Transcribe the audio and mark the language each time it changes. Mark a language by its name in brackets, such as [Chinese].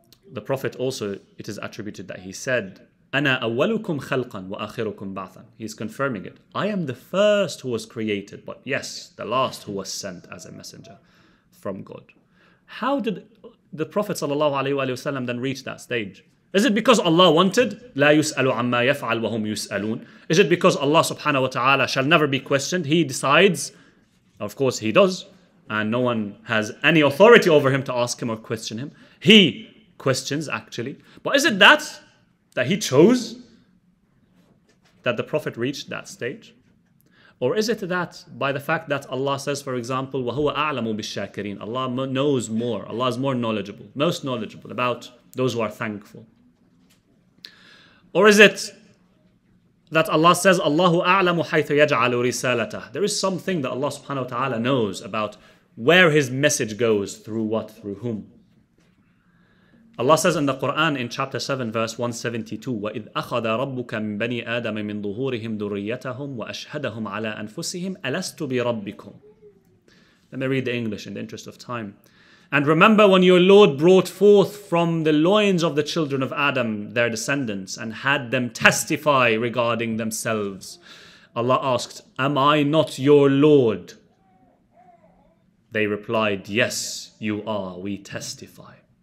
[English] the Prophet also, it is attributed that he said, [Arabic] أَنَا أَوَّلُكُمْ خَلْقًا وَآخِرُكُمْ بَعْثًا. [English] He's confirming it. I am the first who was created, but yes, the last who was sent as a messenger from God. How did the Prophet ﷺ then reach that stage? Is it because Allah wanted? [Arabic] لا يسألوا عما يفعل وهم يسألون. [English] Is it because Allah subhanahu wa ta'ala shall never be questioned? He decides. Of course he does. And no one has any authority over him to ask him or question him. He questions actually. But is it that he chose that the Prophet reached that stage? Or is it that by the fact that Allah says, for example, [Arabic] وَهُوَ أَعْلَمُ بِالشَّاكِرِينَ, [English] Allah knows more. Allah is more knowledgeable, most knowledgeable about those who are thankful. Or is it that Allah says, [Arabic] Allahu a'lamu haythu yaj'alu risalatah? [English] There is something that Allah subhanahu wa ta'ala knows about where His message goes, through what, through whom. Allah says in the Quran in chapter 7, verse 172, [Arabic] وَإِذْ أَخَذَ رَبُّكَ مِنْ بَنِي آدَمَ مِنْ ظُهُورِهِمْ ذُرِّيَّتَهُمْ وَأَشْهَدَهُمْ عَلَىٰ أَنفُسِهِمْ أَلَسْتُ بِرَبِّكُمْ. [English] Let me read the English in the interest of time. And remember when your Lord brought forth from the loins of the children of Adam their descendants and had them testify regarding themselves. Allah asked, am I not your Lord? They replied, yes, you are, we testify.